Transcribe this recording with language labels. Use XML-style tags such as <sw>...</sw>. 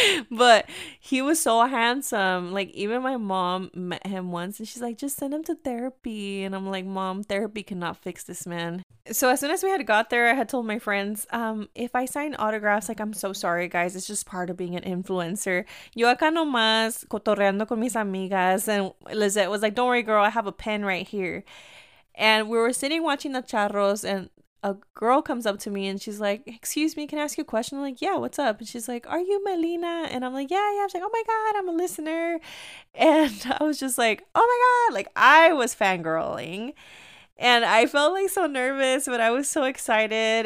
<en>But he was so handsome. Like, even my mom met him once and she's like, just send him to therapy. And I'm like, Mom, therapy cannot fix this man. So as soon as we had got there, I had told my friends, if I sign autographs, like, I'm so sorry, guys. It's just part of being an influencer.</en> <es>Yo acá nomás cotorreando con mis amigas.</es> <en>And Lizette was like, don't worry, girl. I have a pen right here. And we were sitting watching the charros and a girl comes up to me and she's like, excuse me, can I ask you a question? I'm like, yeah, what's up? And she's like, are you Melina? And I'm like, yeah, yeah. She's like, oh my God, I'm a listener. And I was just like, oh my God. Like, I was fangirling and I felt like so nervous, but I was so excited.</en>